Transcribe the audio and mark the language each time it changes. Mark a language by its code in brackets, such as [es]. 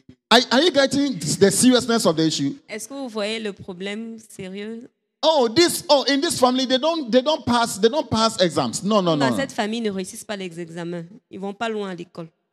[en] Are you getting the seriousness of the issue? [fr] Est-ce que vous voyez le problème sérieux? [en] In this family, they don't pass exams. No. [fr] Dans cette famille, ne réussissent pas les examens. Ils vont pas loin à l'école.